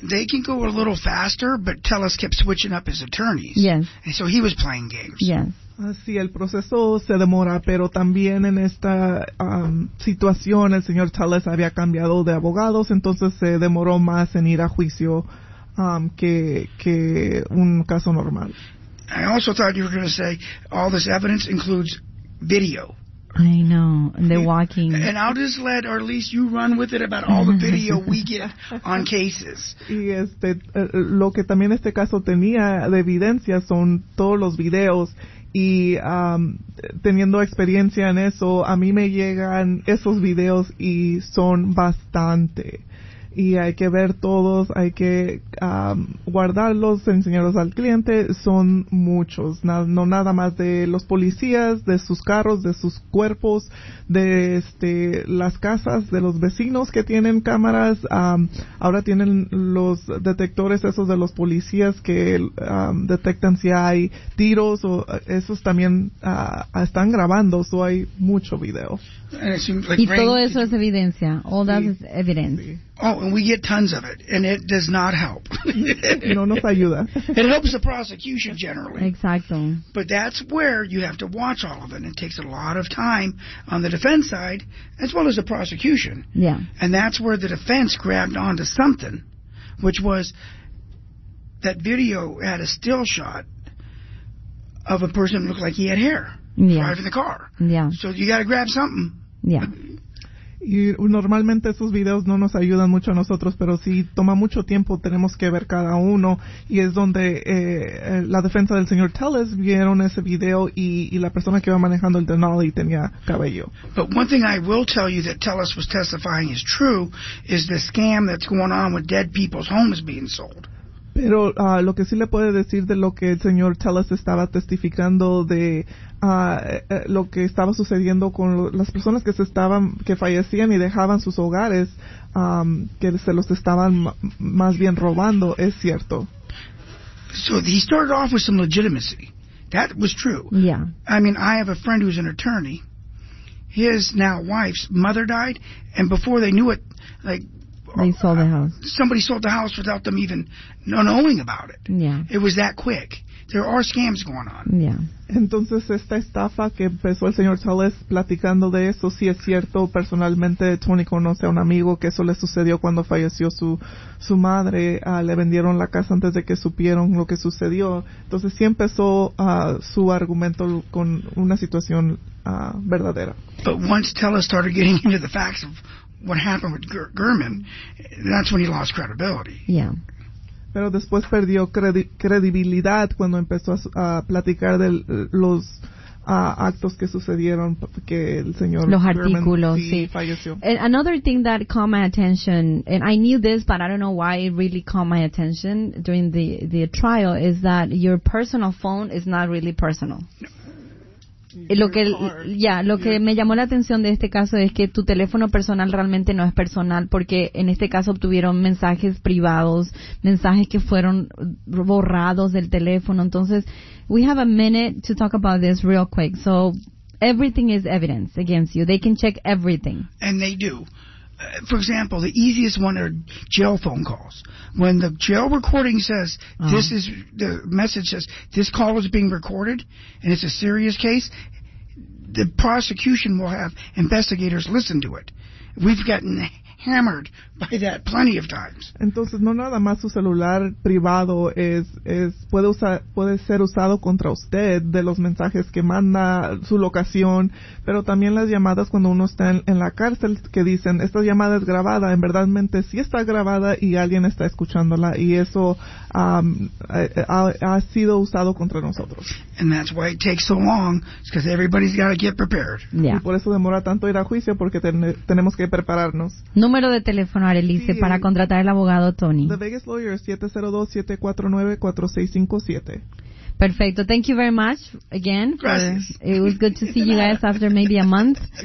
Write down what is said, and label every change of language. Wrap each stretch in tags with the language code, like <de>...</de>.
<en>They can go a little faster, but Tellis kept switching up his attorneys. Yes. And so he was playing games. Yes.</en> <es>Sí, el proceso se demora, pero también en esta situación el señor Tellis había cambiado de abogados, entonces se demoró más en ir a juicio que un caso normal.</es> <en>I also thought you were going to say all this evidence includes video. I know, and they're walking. And I'll just let, or at least you run with it, about all the video we get on cases.</en> <es>Y lo que también este caso tenía de evidencia son todos los videos. Y teniendo experiencia en eso, a mí me llegan esos videos y son bastante. Y hay que ver todos, hay que guardarlos, enseñarlos al cliente. Son muchos, no nada más de los policías, de sus carros, de sus cuerpos, de las casas, de los vecinos que tienen cámaras. Ahora tienen los detectores esos de los policías que detectan si hay tiros. O esos también están grabando, so hay mucho video. Y todo eso es evidencia.</es> <en>All that is evidence. Oh, and we get tons of it, and it does not help.</en> <es>No nos ayuda.</es> <en>It helps the prosecution generally.</en> <es>Exacto.</es> <en>But that's where you have to watch all of it, and it takes a lot of time on the defense side, as well as the prosecution. Yeah. And that's where the defense grabbed onto something, which was that video had a still shot of a person who looked like he had hair. Yeah. Driving the car. Yeah. So you got to grab something. Yeah.</en> <es>Y normalmente esos videos no nos ayudan mucho a nosotros, pero si toma mucho tiempo, tenemos que ver cada uno. Y es donde la defensa del señor Tellez vieron ese video y la persona que iba manejando el Denali tenía cabello.</es> <en>But one thing I will tell you that Tellez was testifying is true is the scam that's going on with dead people's homes being sold.</en> <es>Pero lo que sí le puede decir de lo que el señor Tellez estaba testificando de lo que estaba sucediendo con las personas que se estaban que fallecían y dejaban sus hogares que se los estaban más bien robando, es cierto.</es> <en>So he started off with some legitimacy. That was true. Yeah. I mean, I have a friend who's an attorney. His now wife's mother died, and before they knew it, like, they sold the house. Somebody sold the house without them even knowing about it. Yeah. It was that quick. There are scams going on. Yeah.</en> <es>Entonces, esta estafa que empezó el señor Tellez platicando de eso, sí es cierto. Personalmente, Tony conoce a un amigo que eso le sucedió cuando falleció su madre. Le vendieron la casa antes de que supieron lo que sucedió. Entonces, sí empezó su argumento con una situación verdadera.</es> <en>But once Tellez started getting into the facts of what happened with Gurman, that's when he lost credibility. Yeah.</en> <es>Pero después perdió credibilidad cuando empezó a platicar de los actos que sucedieron que el señor los artículos, Gurman, sí. Falleció.</es> <en>And another thing that caught my attention, and I knew this, but I don't know why it really caught my attention during the trial, is that your personal phone is not really personal. No.</en> <es>Lo que me llamó la atención de este caso es que tu teléfono personal realmente no es personal, porque en este caso obtuvieron mensajes privados, mensajes que fueron borrados del teléfono.</es> <en>Entonces, we have a minute to talk about this real quick. So, everything is evidence against you. They can check everything. And they do. For example, the easiest one are jail phone calls. When the jail recording says, this is, the message says, this call is being recorded and it's a serious case, the prosecution will have investigators listen to it. We've gotten hammered by that plenty of times.</en> <es>Entonces, no nada más su celular privado puede ser usado contra usted, de los mensajes que manda, su locación, pero también las llamadas cuando uno está en la cárcel, que dicen, esta llamada es grabada, en verdad mente sí está grabada y alguien está escuchándola, y eso ha sido usado contra nosotros.</es> <en>And that's why it takes so long, because everybody's got to get prepared. Yeah.</en> <es>Y por eso demora tanto ir a juicio, porque tenemos que prepararnos. Número de teléfono, Arelice, sí, para contratar al abogado Tony.</es> <en>The Vegas Lawyer, 702-749-4657. Perfecto. Thank you very much again.</en> <es>Gracias.</es> <en>It was good to see you guys after maybe a month.</en>